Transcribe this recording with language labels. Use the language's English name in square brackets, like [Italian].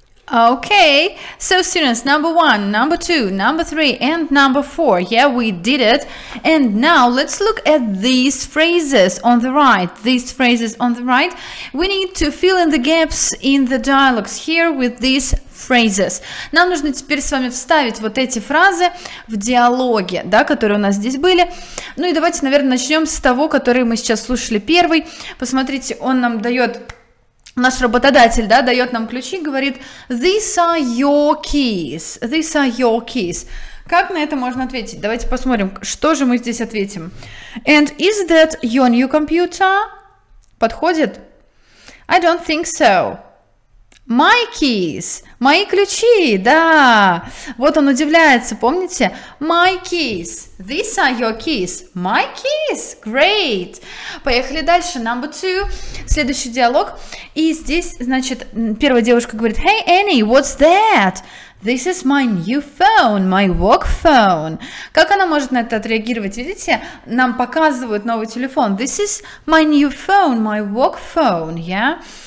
[English] Okay, so students, number one, number two, number three, and number four. Yeah, we did it. And now let's look at these phrases on the right. These phrases on the right. We need to fill in the gaps in the dialogues here with these phrases. [Russian] Нам нужно теперь с вами вставить вот эти фразы в диалоге, да, которые у нас здесь были. Ну и давайте, наверное, начнем с того, который мы сейчас слушали первый. Посмотрите, он нам дает... Наш работодатель, да, дает нам ключи, говорит, [English] these are your keys, these are your keys. [Russian] Как на это можно ответить? Давайте посмотрим, что же мы здесь ответим. [English] And is that your new computer? [Russian] Подходит? [English] I don't think so. My keys. [Russian] Мои ключи, да. Вот он удивляется, помните? [English] My keys. These are your keys. My keys. Great. [Russian] Поехали дальше. [English] Number two. [Russian] Следующий диалог. И здесь, значит, первая девушка говорит: [English] Hey, Annie, what's that? This is my new phone, my work phone. [Russian] Как она может на это отреагировать? Видите, нам показывают новый телефон. [English] This is my new phone, my work phone, yeah?